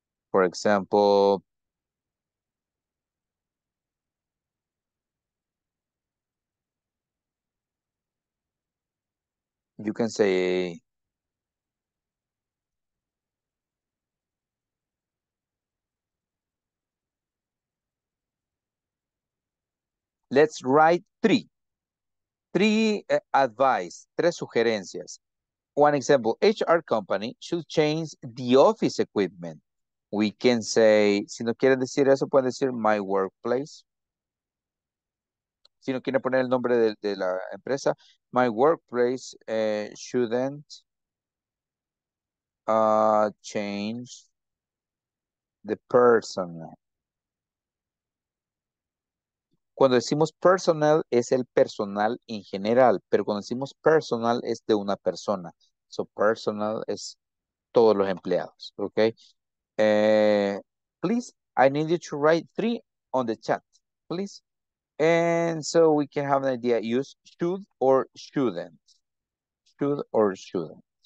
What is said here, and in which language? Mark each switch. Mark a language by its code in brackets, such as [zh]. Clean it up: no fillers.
[en] For example, you can say, let's write three advice, [es] tres sugerencias. [en] One example, HR company should change the office equipment. [es] We can say, si no quieren decir eso, pueden decir [en] my workplace. [es] Si no quieren poner el nombre de la empresa, [en] my workplace shouldn't change the personnel. [es] Cuando decimos personal, es el personal en general. Pero cuando decimos personal, es de una persona. So, personal es todos los empleados. Okay. [en] Please, I need you to write 3 on the chat, please. And so, we can have an idea. Use should or shouldn't. Should or shouldn't.